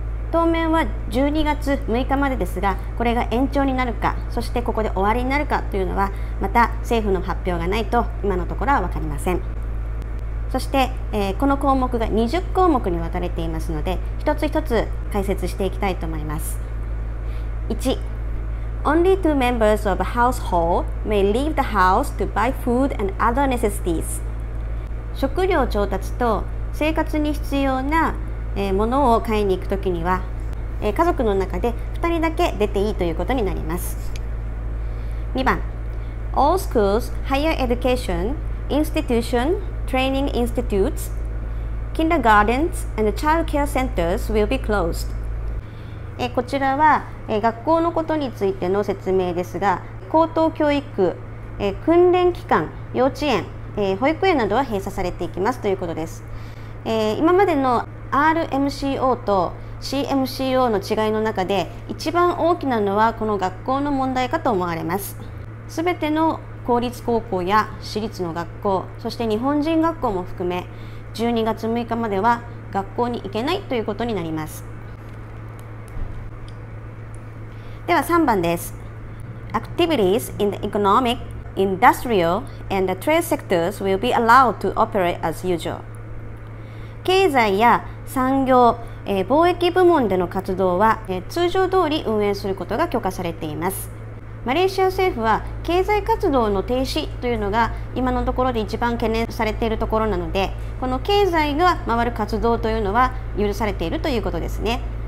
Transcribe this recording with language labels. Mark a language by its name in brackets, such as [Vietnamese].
[Japanese] 当面は12月6日までですが、これが延長になるか、そしてここで終わりになるかというのはまた政府の発表がないと今のところは分かりません。そして、この項目が20項目に分かれていますので、一つ一つ解説していきたいと思います。 1. [English] Only two members of a household may leave the house to buy food and other necessities. [Japanese] 食料調達と生活に必要な物を買いに行くときには家族の中で2人だけ出ていいということになります。 [English] 2番、 All schools, higher education, institution, training institutes, kindergartens and child care centers will be closed. [Japanese] こちらは学校のことについての説明ですが、高等教育、訓練機関、幼稚園、保育園などは閉鎖されていきますということです。今までのRMCO と CMCO の違いの中で一番大きなのはこの学校の問題かと思われます。すべての公立高校や私立の学校、そして日本人学校も含め12月6日までは学校に行けないということになります。では3番です。 [English] Activities in the economic, industrial and the trade sectors will be allowed to operate as usual. [Japanese] 経済や産業、貿易部門での活動は、通常通り運営することが許可されています。マレーシア政府は経済活動の停止というのが今のところで一番懸念されているところなので、この経済が回る活動というのは許されているということですね。